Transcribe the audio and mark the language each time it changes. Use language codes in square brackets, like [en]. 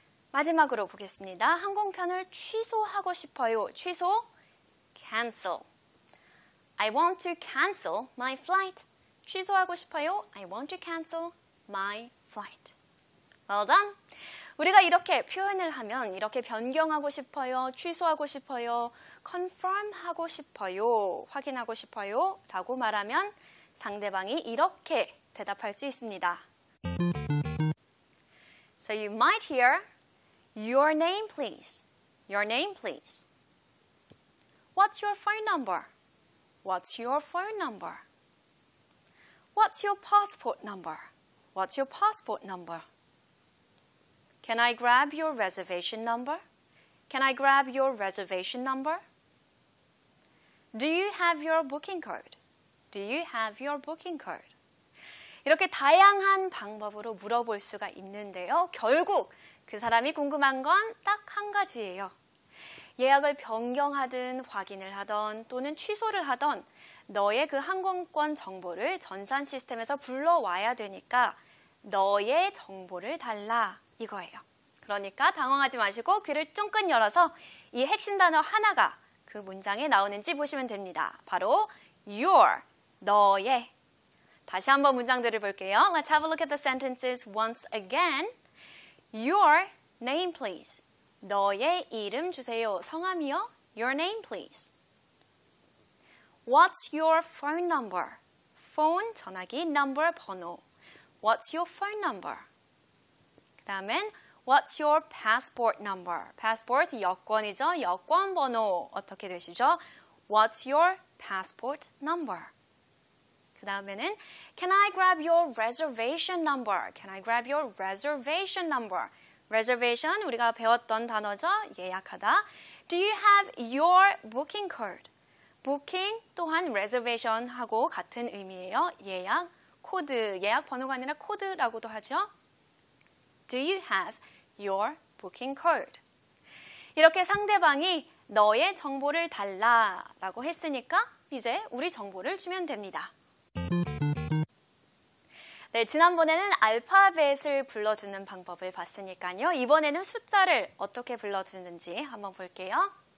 [ko] 마지막으로 보겠습니다. 항공편을 취소하고 싶어요. 취소, cancel. [en] I want to cancel my flight. [ko] 취소하고 싶어요. [en] I want to cancel my flight. Well done. [ko] 우리가 이렇게 표현을 하면 이렇게 변경하고 싶어요. 취소하고 싶어요. confirm 하고 싶어요. 확인하고 싶어요. 라고 말하면 상대방이 이렇게 대답할 수 있습니다. [en] So you might hear, your name please, your name please. What's your phone number? What's your phone number? What's your passport number? What's your passport number? Can I grab your reservation number? Can I grab your reservation number? Do you have your booking code? Do you have your booking code? [ko] 이렇게 다양한 방법으로 물어볼 수가 있는데요. 결국 그 사람이 궁금한 건 딱 한 가지예요. 예약을 변경하든 확인을 하든 또는 취소를 하든 너의 그 항공권 정보를 전산 시스템에서 불러와야 되니까 너의 정보를 달라 이거예요. 그러니까 당황하지 마시고 귀를 쫑긋 열어서 이 핵심 단어 하나가 그 문장에 나오는지 보시면 됩니다. 바로 your, 너의. 다시 한번 문장들을 볼게요. [en] Let's have a look at the sentences once again. Your name, please. [ko] 너의 이름 주세요. 성함이요? [en] Your name, please. What's your phone number? Phone, 전화기, number, 번호. What's your phone number? 그 다음엔 What's your passport number? [ko] Passport 여권이죠. 여권 번호 어떻게 되시죠? [en] What's your passport number? 그 다음에는 Can I grab your reservation number? Can I grab your reservation number? [ko] Reservation 우리가 배웠던 단어죠. 예약하다. [en] Do you have your booking code? [ko] Booking 또한 reservation하고 같은 의미예요. 예약 코드, 예약 번호가 아니라 코드라고도 하죠. [en] Do you have your booking code? [ko] 이렇게 상대방이 너의 정보를 달라라고 했으니까 이제 우리 정보를 주면 됩니다. 네, 지난번에는 알파벳을 불러주는 방법을 봤으니까요. 이번에는 숫자를 어떻게 불러주는지 한번 볼게요.